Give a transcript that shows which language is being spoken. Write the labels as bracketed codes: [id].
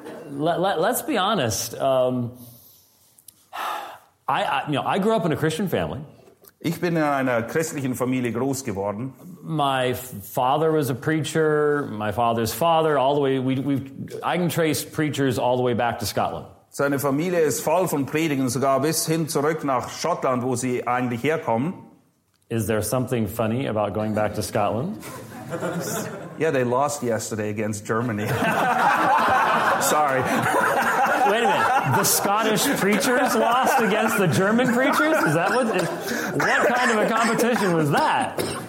[en] Let's be honest. I grew up in a Christian family. [de] Ich bin in einer christlichen Familie groß geworden. [en] My father was a preacher, my father's father, all the way, I can trace preachers all the way back to Scotland. [de] Seine Familie ist voll von Predigen, sogar bis hin zurück nach Schottland, wo sie eigentlich herkommen. [en] Is there something funny about going back to Scotland? Yeah, they lost yesterday against Germany. Sorry. Wait a minute. The Scottish preachers lost against the German preachers? Is that what kind of a competition was that?